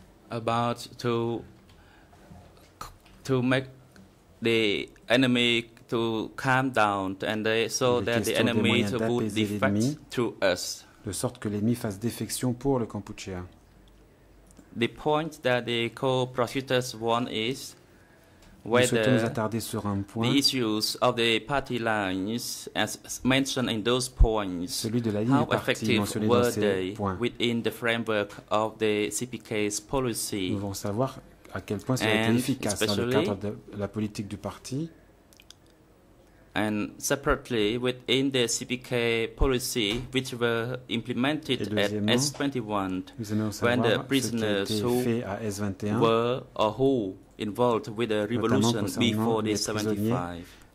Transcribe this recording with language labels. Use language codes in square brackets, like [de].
[en] about to make the enemy to calm down and they, so that the enemy to would defect to us. [fr] De sorte que l'ennemi fasse défection pour le Kampuchea. [en] The point that the co-prosecutors want is whether the issues of the party lines as mentioned in those points, [fr] celui de la ligne [en] how effective were they within the framework of the CPK's policy. [fr] Nous voulons savoir à quel point ça a été efficace dans le cadre de la politique du parti. [en] And separately, within the CPK policy, which were implemented at S21, when the prisoners who were or who involved with the revolution before the 75,